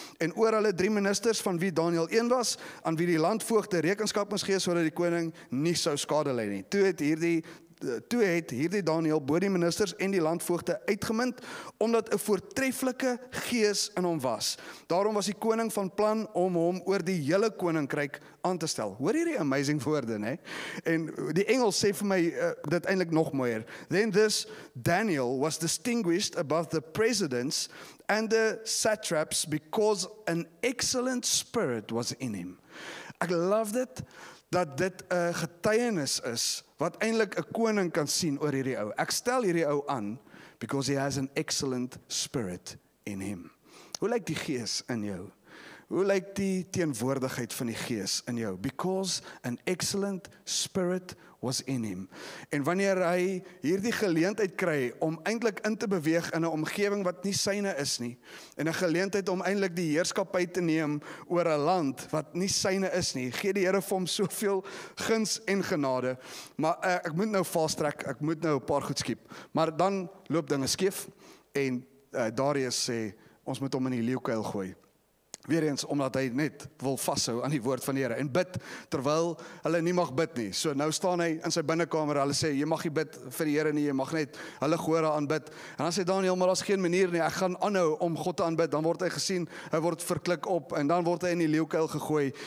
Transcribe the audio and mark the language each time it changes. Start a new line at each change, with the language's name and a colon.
Afrikaans: En oor hulle drie ministers van wie Daniel een was, aan wie die landvoogde rekenskap moes gee sodat die koning nie sou skade lei nie. Toe het hierdie Daniel bo die ministers en die landvoogde uitgemind, omdat 'n voortreffelike gees in hom was. Daarom was die koning van plan om hom oor die hele koninkryk aan te stel. Hoor hierdie amazing woorde, nê? En die Engels sê vir my dit eintlik nog mooier.
English: Then this Daniel was distinguished above the presidents and the satraps because an excellent spirit was in him. I loved it.
Afrikaans: Dat dit 'n getuienis is, wat eintlik 'n koning kan sien oor hierdie ou. Ek stel hierdie ou aan,
English: because he has an excellent spirit in him.
Afrikaans: Hoe lyk die gees in jou? Hoe lyk die teenwoordigheid van die gees in jou?
English: Because an excellent spirit was in him.
Afrikaans: En wanneer hy hierdie geleentheid kry om eintlik in te beweeg in 'n omgewing wat nie syne is nie, en 'n geleentheid om eintlik die heerskappy te neem oor 'n land wat nie syne is nie, gee die Here vir hom soveel guns en genade. Maar ek moet nou vast trek, ek moet nou 'n paar goed skiep. Maar dan loop dinge skeef en Darius sê, ons moet hom in die leeukuil gooi. Weer eens, omdat hy net wil vasthou aan die woord van die Here en bid, terwyl hulle nie mag bid nie. So nou staan hy in sy binnekamer, hulle sê, jy mag nie bid vir die Here nie, jy mag net hulle gehoor aan bid. En dan sê Daniel, maar daar's geen manier nie, ek gaan aanhou om God te aanbid. Dan word hy gesien, hy word verklik op en dan word hy in die leeukuil gegooi.